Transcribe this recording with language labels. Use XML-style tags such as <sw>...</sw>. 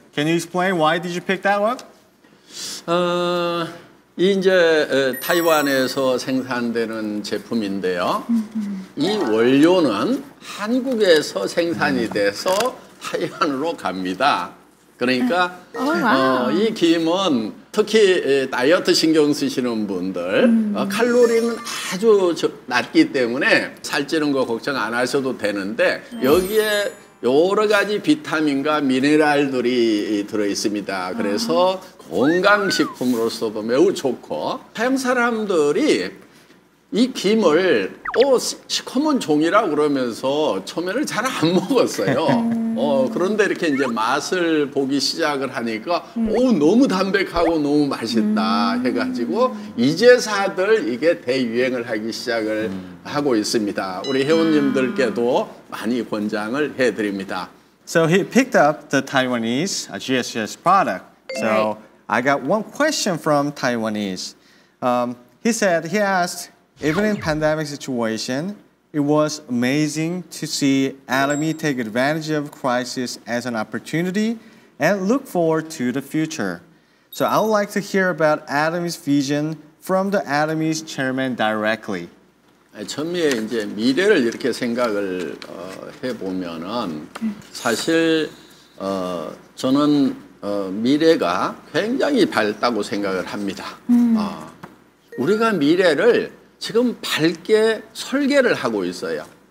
<en>Can you explain why did you pick that one?</en> <ko>이제 타이완에서 생산되는 제품인데요. 이 원료는 한국에서 생산이 돼서 타이완으로 갑니다. 그러니까 이 김은 특히 다이어트 신경 쓰시는 분들 칼로리는 아주 낮기 때문에 살찌는 거 걱정 안 하셔도 되는데 여기에 여러 가지 비타민과 미네랄들이 들어있습니다. 그래서 건강식품으로서도 매우 좋고 태양 사람들이 이 김을 시커먼 종이라고 그러면서 처음에는 잘 안 먹었어요. 그런데 이렇게 이제 맛을 보기 시작을 하니까 너무 담백하고 너무 맛있다 해가지고 이제사들 이게 대유행을 하기 시작을 하고 있습니다. 우리 회원님들께도 많이 권장을 해드립니다.</ko> <en>So he picked up the Taiwanese GSS product. So I got one question from Taiwanese. He said, he asked, even in pandemic situation, it was amazing to see Atomy take advantage of crisis as an opportunity and look forward to the future. So I would like to hear about Atomy's vision from the Atomy's chairman directly.</en> <ko>처음에 이제 미래를 이렇게 생각을 해보면은 사실 저는 미래가 굉장히 밝다고 생각을 합니다. 우리가 미래를 지금 밝게 설계를 하고 있어요.</ko>